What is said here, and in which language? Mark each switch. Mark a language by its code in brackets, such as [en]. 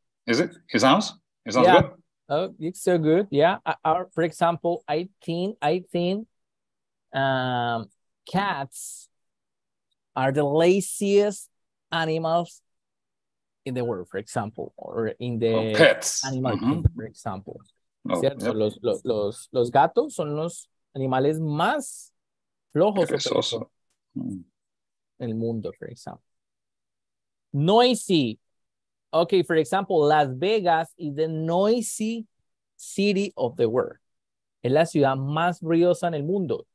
[en] Is it? It sounds good? Oh, it's so good. Yeah. For example, I think cats are the laziest animals in the world, for example, or in the pets. Animal kingdom, mm-hmm. For example. Oh, yep. [es] Los gatos son los animales más flojos en el mundo, [en] for example. Noisy. Okay, for example, Las Vegas is the noisy city of the world. [es] Es la ciudad más ruidosa en el mundo.